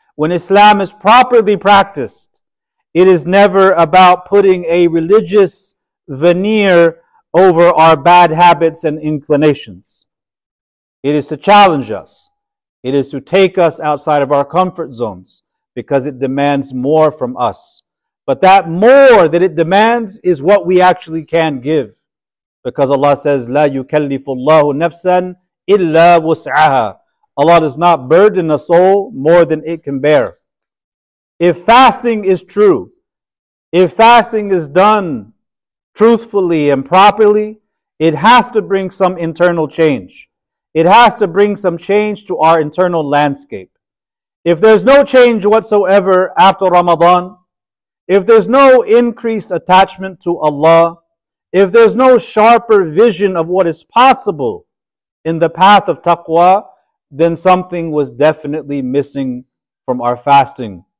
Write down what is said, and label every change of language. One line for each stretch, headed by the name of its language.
English: When Islam is properly practiced, it is never about putting a religious veneer over our bad habits and inclinations. It is to challenge us. It is to take us outside of our comfort zones because it demands more from us. But that more that it demands is what we actually can give. Because Allah says,
Arabic: لا يكلف الله نفسا إلا وسعها.
English: Allah does not burden a soul more than it can bear. If fasting is true, if fasting is done truthfully and properly, it has to bring some internal change. It has to bring some change to our internal landscape. If there's no change whatsoever after Ramadan, if there's no increased attachment to Allah, if there's no sharper vision of what is possible in the path of taqwa, then something was definitely missing from our fasting.